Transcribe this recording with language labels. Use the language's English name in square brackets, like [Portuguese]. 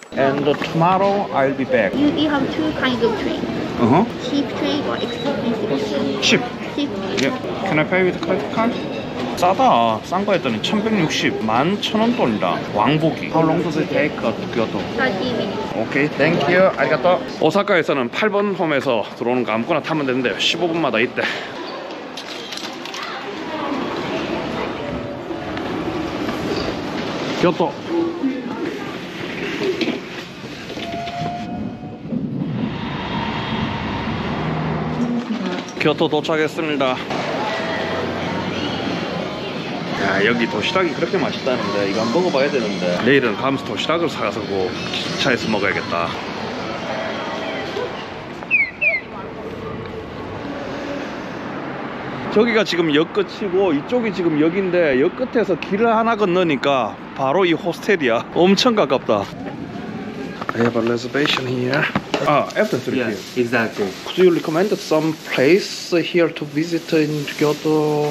[English] And tomorrow I'll be back. You have two kinds of train. Uh-huh. Cheap train or expensive train? Cheap. Cheap. Yeah. Can I pay with credit card? [Korean] 싸다. 싼 거 했더니 1160, 11,000원 돈이다. 왕복이. [English] How long does it take to Kyoto? 30 minutes. Okay, thank you. [Japanese] 아리가또. [Korean] 오사카에서는 8번 홈에서 들어오는 거 아무거나 타면 되는데 15분마다 있대. 교토. 교토 도착했습니다. 야, 여기 도시락이 그렇게 맛있다는데 이거 한번 먹어봐야 되는데. 내일은 가면서 도시락을 사가서 뭐 기차에서 먹어야겠다. 저기가 지금 역 끝이고 이쪽이 지금 역인데 역 끝에서 길을 하나 건너니까 바로 이 호스텔이야. 엄청 가깝다. [English] I have a reservation here. After 3 p.m. Yes, exactly. Could you recommend some place here to visit in Kyoto?